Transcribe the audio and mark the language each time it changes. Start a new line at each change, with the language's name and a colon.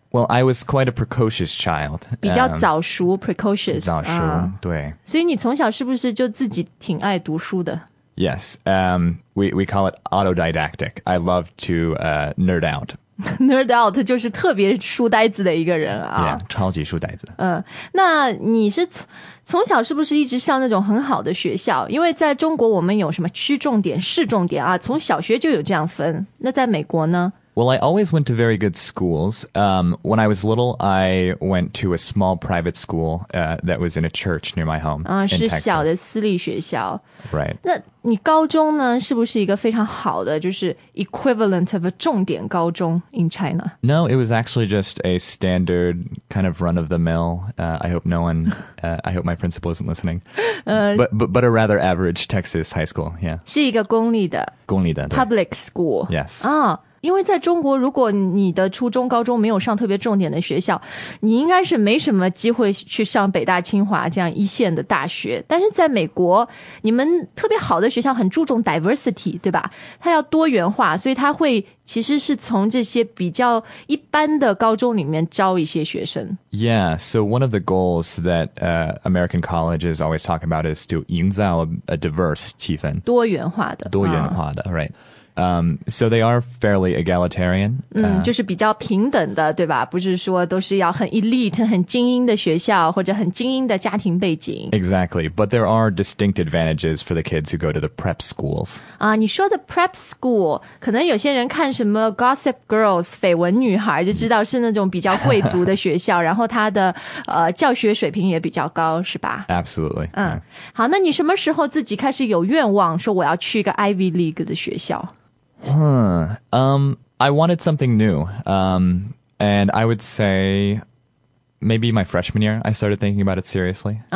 English: Well, I was quite a precocious child.
Chinese: 比较早熟 ,precocious. 早熟，对。所以你从小是不是就自己挺爱读书的？
English: Yes, we call it autodidactic. I love to nerd out.
Chinese: Nerd out 就是特别书呆子的一个人啊。 Yeah, 超级书呆子。那你是从小是不是一直上那种很好的学校？因为在中国我们有什么区重点、市重点啊，从小学就有这样分。那在美国呢？
English: Well, I always went to very good schools. When I was little, I went to a small private school that was in a church near my home.
Chinese: 是小的私立学校。
English: Right.
Chinese: 那你高中呢，是不是一个非常好的，就是
English: equivalent of a
Chinese: 重点高中
English: in China? No, it was actually just a standard kind of run of the mill. I hope my principal isn't listening. But a rather average Texas high school, yeah.
Chinese: 是一个公立的。公立的。
English: Public school. Yes.
Chinese: 因为在中国，如果你的初中高中没有上特别重点的学校，你应该是没什么机会去上北大清华这样一线的大学。但是在美国，你们特别好的学校很注重 diversity， 对吧？它要多元化，所以它会其实是从这些比较一般的高中里面招一些学生。
English: Yeah, so one of the goals that American colleges always talk about is to
Chinese: 营造
English: a diverse
Chinese: 气氛。多元化的。多元化的、right.
English: So they are fairly egalitarian.
Chinese: 就是比较平等的，对吧？不是说都是要很 elite, 很精英的学校，或者很精英的家庭背景。
English: Exactly. But there are distinct advantages for the kids who go to the prep schools.
Chinese: 你说的 prep school, 可能有些人看什么 Gossip Girls, 绯闻女孩，就知道是那种比较贵族的学校，然后他的教学水平也比较高，是吧？
English: Absolutely.
Chinese: 好，那你什么时候自己开始有愿望，说我要去一个 Ivy League 的学校？
English: I wanted something new. And I would say maybe my freshman year, I started thinking about it seriously.